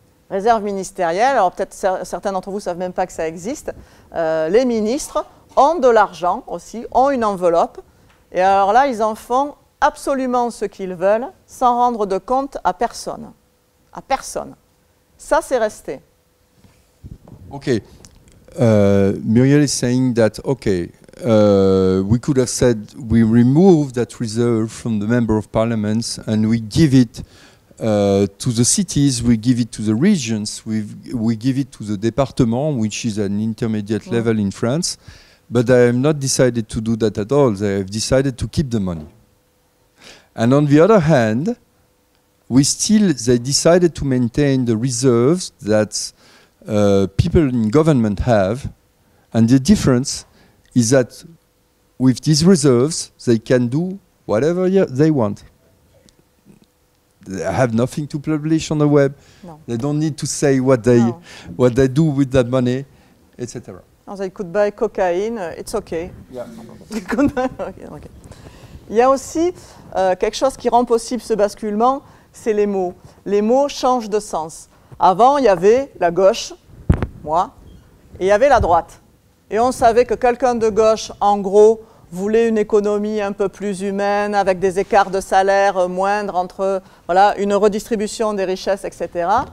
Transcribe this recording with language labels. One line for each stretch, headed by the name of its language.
French: Réserve ministérielle, alors peut-être certains d'entre vous ne savent même pas que ça existe. Les ministres ont de l'argent aussi, ont une enveloppe. Et alors là, ils en font absolument ce qu'ils veulent sans rendre de compte à personne. À personne. Ça, c'est resté.
English: Okay, Muriel is saying that, okay, we could have said we remove that reserve from the member of parliament and we give it to the cities, we give it to the regions, we give it to the département, which is an intermediate level in France, but I have not decided to do that at all. They have decided to keep the money. And on the other hand, we still, they decided to maintain the reserves that people in government have, and the difference is that with these reserves they can do whatever they want. They have nothing to publish on the web. No. They don't need to say what they what they do with that money, etc. Oh, they could buy cocaine, it's okay. Yeah. Okay.
French: Il y a aussi quelque chose qui rend possible ce basculement, c'est les mots. Les mots changent de sens. Avant, il y avait la gauche, moi, et il y avait la droite. Et on savait que quelqu'un de gauche, en gros, voulait une économie un peu plus humaine, avec des écarts de salaire moindres, entre voilà, une redistribution des richesses, etc.